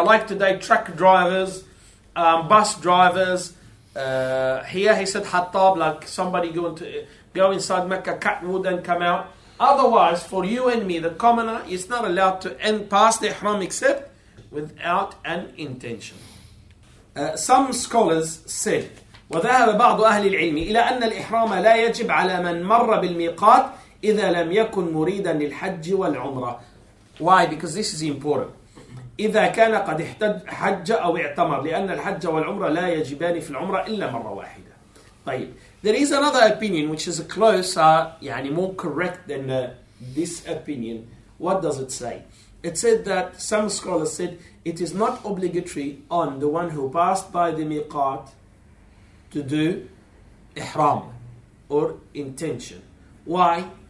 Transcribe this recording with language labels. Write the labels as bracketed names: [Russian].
[English] Like today, truck drivers, bus drivers. Here he said Hattab, like somebody going to go inside Mecca, cut wood and come out. Otherwise, for you and me, the commoner is not allowed to end past the ihram except without an intention. Some scholars said, [Arabic] وذهب بعض أهل العلم إلى أن الإحرام لا يجب على من مر بالميقات إذا لم يكن مريدا للحج والعمرة. [English] Why? Because this is important. [Arabic] إذا كان قد حج أو اعتمر، لأن الحج والعمرة لا يجبان في العمرة إلا مرة واحدة. طيب. [English] There is another opinion which is closer, [Arabic] يعني [English] more correct than this opinion. What does it say? It said that some scholars said it is not obligatory on the one who passed by the miqat to do ihram or intention. Why?